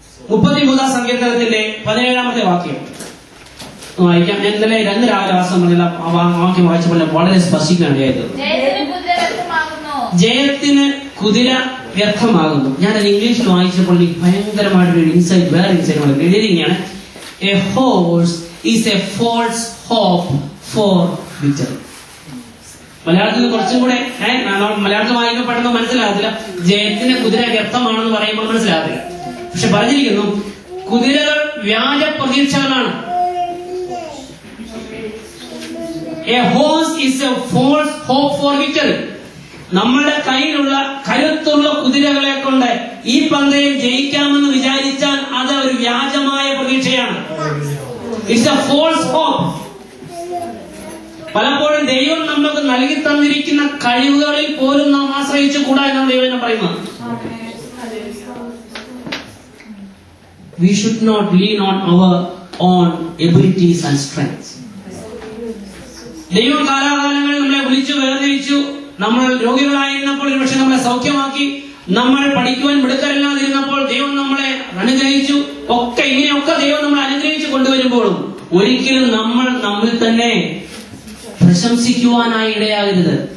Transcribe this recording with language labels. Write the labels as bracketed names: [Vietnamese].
[Malayalam] 33-ാം സങ്കീർത്തനത്തിന്റെ 17-ാമത്തെ വാക്യം വായിക്കാം. ഞാൻ ഇന്നലെ രണ്ട് രാവിലെ വാസ്തവം വാക്യം വായിച്ചപ്പോൾ വളരെ സ്പർശിക്കാൻ കഴിയുന്നത്, ജയത്തിന് കുതിര വ്യർത്ഥമാകുന്നു. ഞാൻ അത് ഇംഗ്ലീഷിൽ വായിച്ചപ്പോൾ എനിക്ക് ഭയങ്കരമായിട്ടൊരു ഇൻസൈറ്റ്, വേറെ ഇൻസൈറ്റ് എഴുതിയിരിക്കുകയാണ്. [English] A horse is a false hope for victory. [Malayalam] മലയാളത്തിൽ കുറച്ചും കൂടെ മലയാളത്തിൽ വായിക്കുന്ന പെട്ടെന്ന് മനസ്സിലാകത്തില്ല, ജയത്തിന് കുതിര രക്തമാണെന്ന് പറയുമ്പോൾ മനസ്സിലാകത്തില്ല. പക്ഷെ പറഞ്ഞിരിക്കുന്നു കുതിരകൾ വ്യാജ പ്രതീക്ഷകളാണ്. [English] A horse is a false hope for victory. [Malayalam] നമ്മളുടെ കയ്യിലുള്ള കരുത്തുള്ള കുതിരകളെ കൊണ്ട് ഈ പന്തയം ജയിക്കാമെന്ന് വിചാരിച്ചാൽ അത് ഒരു വ്യാജമായ പ്രതീക്ഷയാണ്. [English] It's a false hope. [Malayalam] പലപ്പോഴും ദൈവം നമ്മൾക്ക് നൽകി തന്നിരിക്കുന്ന കഴിവുകളിൽ പോലും നാം ആശ്രയിച്ചു കൂടാ എന്നാണ് ദൈവം പറയുന്നത്. [English] We should not lean on our own abilities and strengths. [Malayalam] ദൈവം കാലാകാലങ്ങളിൽ നമ്മളെ വിളിച്ചു വേർതിരിച്ചു. നമ്മൾ രോഗികളായിരുന്നപ്പോൾ ഒരുപക്ഷെ നമ്മളെ സൗഖ്യമാക്കി. നമ്മൾ പഠിക്കുവാൻ മിടുക്കരില്ലാതിരുന്നപ്പോൾ ദൈവം നമ്മളെ അനുഗ്രഹിച്ചു. ഒക്കെ ഇങ്ങനെയൊക്കെ ദൈവം നമ്മളെ അനുഗ്രഹിച്ചു കൊണ്ടുവരുമ്പോഴും ഒരിക്കലും നമ്മൾ നമ്മൾ തന്നെ പ്രശംസിക്കുവാനായി ഇടയാകരുത്.